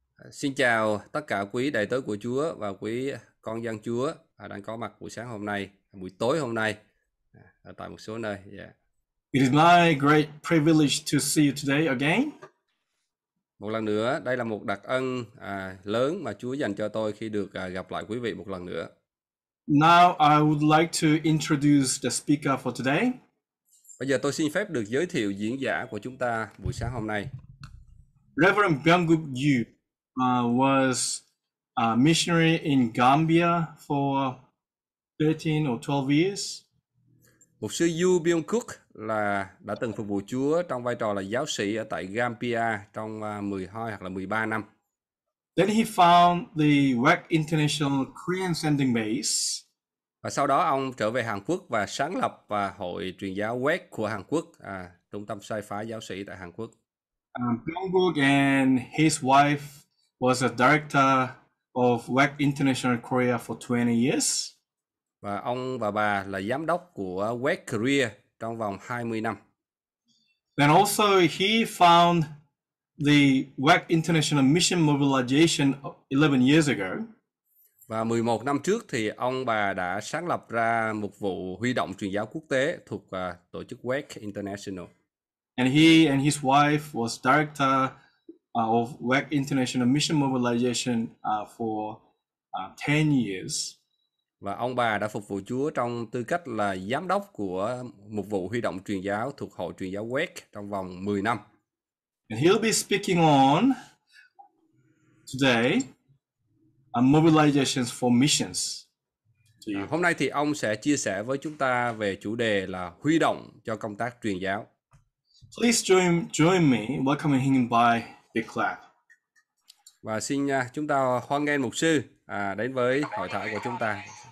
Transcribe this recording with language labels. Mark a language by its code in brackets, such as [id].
[vi] Xin chào tất cả quý đầy tớ của Chúa và quý con dân Chúa đang có mặt buổi sáng hôm nay, buổi tối hôm nay ở tại một số nơi. [en] It is my great privilege to see you today again. [vi] Một lần nữa, đây là một đặc ân lớn mà Chúa dành cho tôi khi được gặp lại quý vị một lần nữa. [en] Now I would like to introduce the speaker for today. [vi] Bây giờ tôi xin phép được giới thiệu diễn giả của chúng ta buổi sáng hôm nay. [en] Reverend Byung-gub Yu was a missionary in Gambia for 13 or 12 years. [vi] Mục sư Yu Byung Kuk là đã từng phục vụ Chúa trong vai trò là giáo sĩ ở tại Gambia trong 12 hoặc là 13 năm. [en] Then he found the WAC International Korean Sending Base. [vi] Và sau đó ông trở về Hàn Quốc và sáng lập và hội truyền giáo WAC của Hàn Quốc, trung tâm sai phái giáo sĩ tại Hàn Quốc. [en] Byung-gub and his wife was a director of WAC International Korea for 20 years. [vi] Và ông và bà là giám đốc của WEC Korea trong vòng 20 năm. [en] Then also he found the WAC International Mission Mobilization 11 years ago. [vi] Và 11 năm trước thì ông bà đã sáng lập ra một vụ huy động truyền giáo quốc tế thuộc tổ chức WEC International. [en] And he and his wife was director of WAC International Mission Mobilization for 10 years. [vi] Và ông bà đã phục vụ Chúa trong tư cách là giám đốc của một vụ huy động truyền giáo thuộc hội truyền giáo WEC trong vòng 10 năm. [en] And he'll be speaking on today mobilizations for missions to you. [vi] hôm nay thì ông sẽ chia sẻ với chúng ta về chủ đề là huy động cho công tác truyền giáo. [en] Please join me welcoming him by big clap. [vi] Và xin chúng ta hoan nghênh mục sư đến với hội thảo của chúng ta.